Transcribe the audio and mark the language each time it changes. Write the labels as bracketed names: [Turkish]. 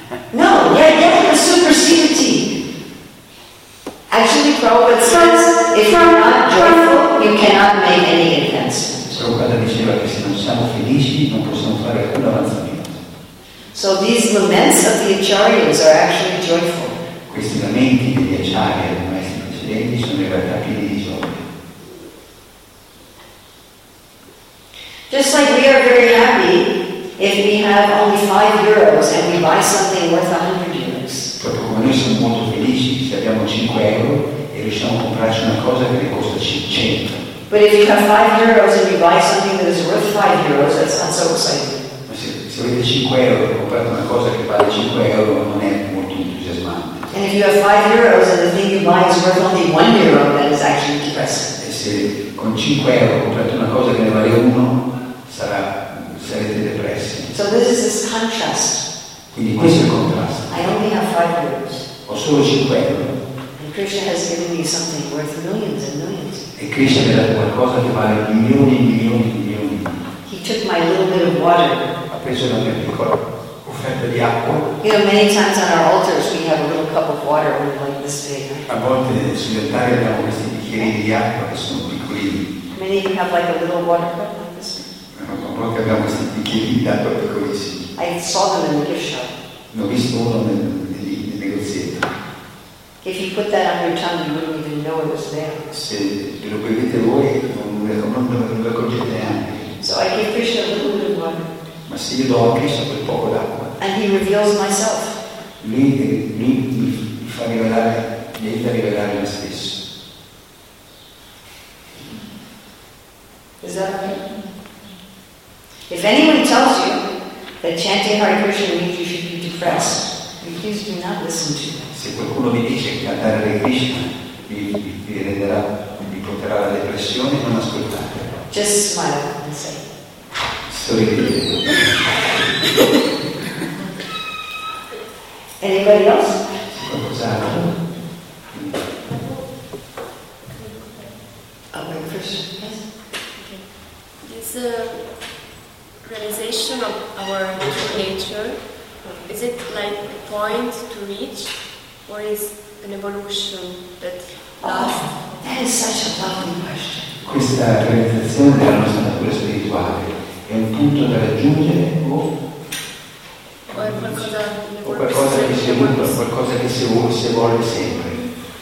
[English] No, yad, yadma, supersedity. Actually, Prabhupada says, if you are not joyful, you cannot make any advancement. [Italian] Prabhupada diceva che se non siamo felici, non possiamo fare alcun avanzamento. [English] So these laments of the acharyas are actually joyful. [Italian] Questi lamenti degli acharya, dei maestri precedenti, sono in realtà pieni di gioia. [English] Just like we are very happy if we have only 5 euros and we buy something worth 100 euros. [Italian] Proprio come noi siamo molto felici se abbiamo 5 euro e riusciamo a comprarci una cosa che costa 100. [English] But if you have 5 euros and you buy something that is worth 5 euros, that's not so exciting. [Italian] Ma se avete 5 euro e comprate una cosa che vale 5 euro, non è molto entusiasmante. [English] And if you have 5 euros and the thing you buy is worth only 1 euro, that is actually depressing. [Italian] E se con 5 euro comprate una cosa che ne vale 1, sarete depressi. [English] So this is this contrast. [Italian] Quindi questo è il contrasto. [English] I only have 5 euros. [Italian] Ho solo 5 euro. [English] And Krishna has given me something worth millions and millions. [Italian] E Krishna mi ha dato qualcosa che vale milioni e milioni e milioni. [English] He took my little bit of water. [Italian] Ha preso la mia piccola offerta di acqua. [English] You know, many times on our altars we have a little cup of water when we like this day. [Italian] A volte sugli altari abbiamo questi bicchieri di acqua che sono piccolini. [English] Many of you have like a little water cup like this. [Italian] A volte abbiamo questi bicchieri di acqua piccolissimi. [English] I saw them in the gift shop. [Italian] L'ho visto uno nel negozietto. [English] If you put that on your tongue, you wouldn't even know it was there. [Italian] Se lo bevete voi, non lo accorgete neanche. [English] So I gave Krishna a little bit of water. [Italian] Ma se io do a Krishna quel poco d'acqua. [English] And he reveals myself. [Italian] Lui mi fa rivelare, mi aiuta a rivelare me stesso. [English] Is that okay? If anyone tells you that chanting Hare Krishna means you should be depressed, please do not listen to them. [Italian] Se qualcuno vi dice che cantare Hare Krishna vi renderà, vi porterà la depressione, non ascoltate. [English] Just smile and say. [Italian] Sorridete. [English] Anybody else? [Italian] Qualcos'altro? [English] Hare Krishna. Yes. Okay. Yes, realization of our nature, is it like a point to reach, or is an evolution that lasts? That is such a lovely question. [Italian] Questa realizzazione della nostra natura spirituale è un punto da raggiungere o qualcosa che si evolve, qualcosa che si evolve sempre.